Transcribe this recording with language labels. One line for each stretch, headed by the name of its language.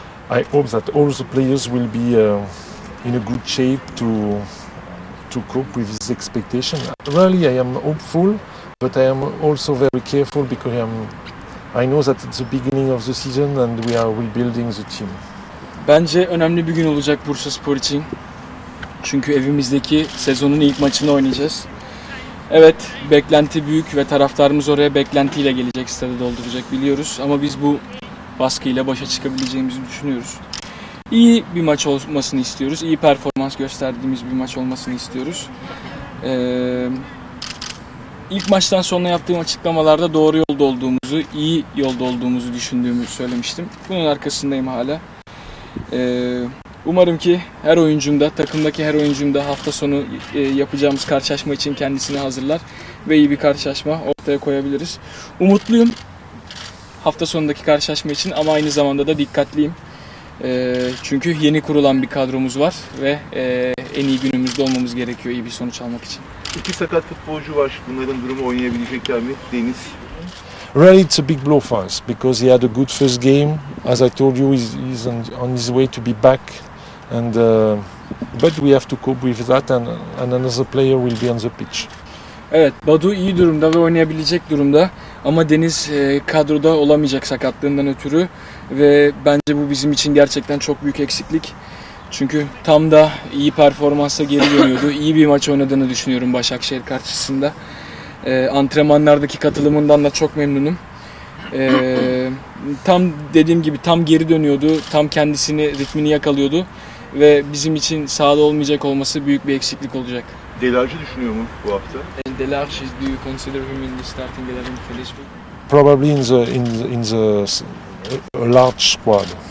English: I hope that all the players will be in a good shape to cope with this expectation. Really, I am hopeful, but I am also very careful because I know that it's the beginning of the season and we are rebuilding the team.
Turkish: Bence önemli bir gün olacak Bursaspor için. Çünkü evimizdeki sezonun ilk maçını oynayacağız. Evet, beklenti büyük ve taraftarımız oraya beklentiyle gelecek, stadı dolduracak biliyoruz. Ama biz bu baskıyla başa çıkabileceğimizi düşünüyoruz. İyi bir maç olmasını istiyoruz. İyi performans gösterdiğimiz bir maç olmasını istiyoruz. İlk maçtan sonra yaptığım açıklamalarda doğru yolda olduğumuzu, iyi yolda olduğumuzu düşündüğümü söylemiştim. Bunun arkasındayım hala. Umarım ki her oyuncum da, takımdaki her oyuncum da hafta sonu yapacağımız karşılaşma için kendisini hazırlar ve iyi bir karşılaşma ortaya koyabiliriz. Umutluyum hafta sonundaki karşılaşma için ama aynı zamanda da dikkatliyim. Çünkü yeni kurulan bir kadromuz var ve en iyi günümüzde olmamız gerekiyor iyi bir sonuç almak için. İki sakat futbolcu var. Bunların durumu oynayabilecekler mi? Deniz.
English: Really, it's a big blow for us because he had a good first game. As I told you, he's on his way to be back, and but we have to cope with that, and another player will be on the pitch.
Turkish: Evet, Badu iyi durumda ve oynayabilecek durumda, ama Deniz kadroda olamayacak sakatlığından ötürü ve bence bu bizim için gerçekten çok büyük eksiklik. Çünkü tam da iyi performansa geri dönüyordu, iyi bir maç oynadığını düşünüyorum Başakşehir karşısında. Antrenmanlardaki katılımından da çok memnunum. Tam dediğim gibi tam geri dönüyordu, tam kendisini, ritmini yakalıyordu ve bizim için sahada olmayacak olması büyük bir eksiklik olacak. Delarge düşünüyor mu bu hafta?
English: Delarge, do you consider him in the starting 11 for this week? Probably in the large squad.